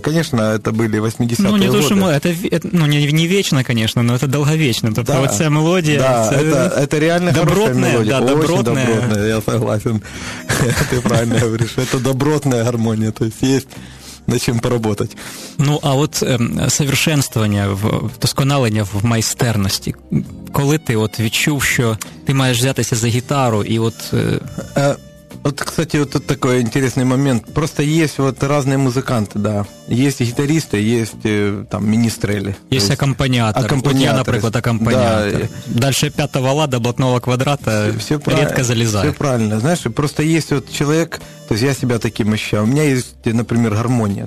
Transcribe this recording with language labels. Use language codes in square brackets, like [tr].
[ru] Конечно, это были 80-е годы. Ну, не то, что мы... Не вечно, конечно, но это долговечно. Тобто, да. Вот вся мелодия... Да, это реально добротная, хорошая мелодия. Да, очень добротная, я согласен. Ты правильно говоришь. Это добротная гармония. То есть над чем поработать. Ну, а вот совершенствование, [uk] досконалення в майстерності. Коли ты от відчув, що ти маєш взятися за гітару, і от... [ru] Вот, кстати, вот тут такой интересный момент. Просто есть вот разные музыканты, да. Есть гитаристы, есть там министрели. Есть аккомпаниаторы. Я, например, аккомпаниатор. Да. Дальше пятого лада, блатного квадрата, все редко залезаю. Все правильно. Знаешь, просто есть вот человек, то есть я себя таким ощущаю. У меня есть, например, гармония.